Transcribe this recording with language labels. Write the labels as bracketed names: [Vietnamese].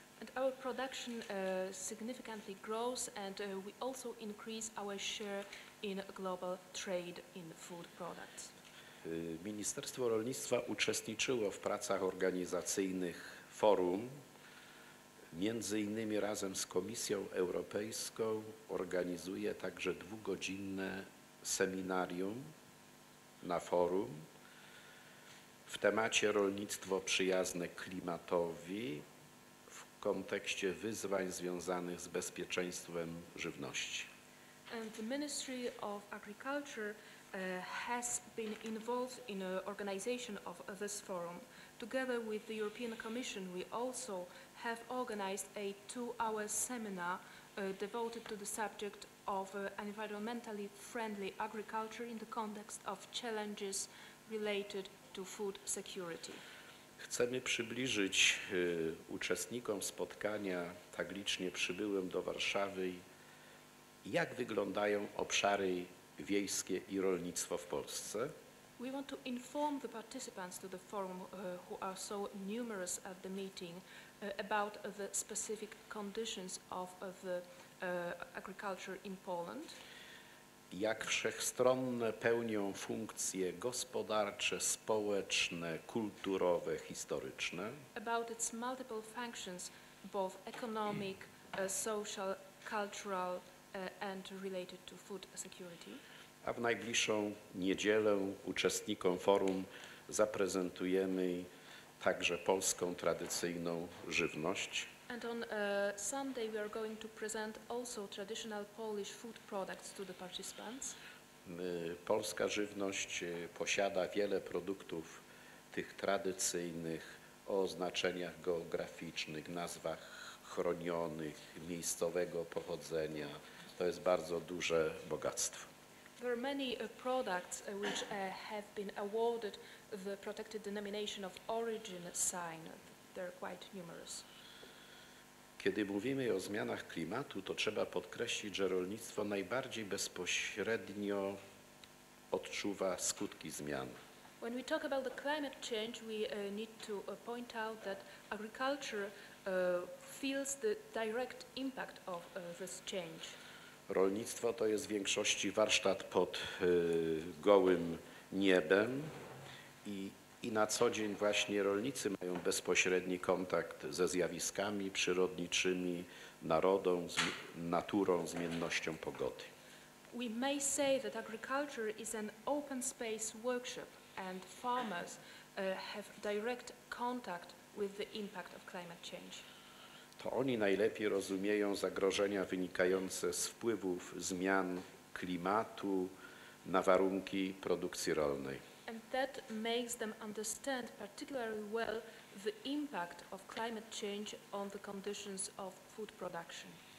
[English] And our production significantly grows and we also increase our share in global trade in food products. [Polish] Ministerstwo Rolnictwa uczestniczyło w pracach organizacyjnych forum, między innymi razem z Komisją Europejską organizuje także dwugodzinne seminarium na forum w temacie rolnictwo przyjazne klimatowi w kontekście wyzwań związanych z bezpieczeństwem żywności. [English] And the Ministry of Agriculture has been involved in the organization of this forum. Together with the European Commission, we also have organized a two-hour seminar devoted to the subject of environmentally friendly agriculture in the context of challenges related to food security. [Polish] Chcemy przybliżyć uczestnikom spotkania, tak licznie przybyłem do Warszawy, jak wyglądają obszary wiejskie i rolnictwo w Polsce. [English] We want to inform the participants to the forum who are so numerous at the meeting about the specific conditions of the agriculture in Poland. [Polish] Jak wszechstronne pełnią funkcje gospodarcze, społeczne, kulturowe, historyczne. [English] About its multiple functions, both economic, social, cultural, and related to food security. [Polish] A w najbliższą niedzielę uczestnikom forum zaprezentujemy także polską tradycyjną żywność. [English] And on Sunday we are going to present also traditional Polish food products to the participants. [Polish] Polska żywność posiada wiele produktów tych tradycyjnych o oznaczeniach geograficznych, nazwach chronionych, miejscowego pochodzenia, To jest bardzo duże bogactwo. [English] There are many products which have been awarded the protected denomination of origin sign. They're quite numerous. [Polish] Kiedy mówimy o zmianach klimatu, to trzeba podkreślić, że rolnictwo najbardziej bezpośrednio odczuwa skutki zmian. [English] When we talk about the climate change, we need to point out that agriculture feels the direct impact of this change. [Polish] Rolnictwo to jest w większości warsztat pod gołym niebem i na co dzień właśnie rolnicy mają bezpośredni kontakt ze zjawiskami przyrodniczymi, narodą, naturą, zmiennością pogody. [English] We may say that agriculture is an open space workshop and farmers have direct contact with the impact of climate change. [Polish] To oni najlepiej rozumieją zagrożenia wynikające z wpływów zmian klimatu na warunki produkcji rolnej. [English] And that makes them understand particularly well the impact of climate change on the conditions of food production.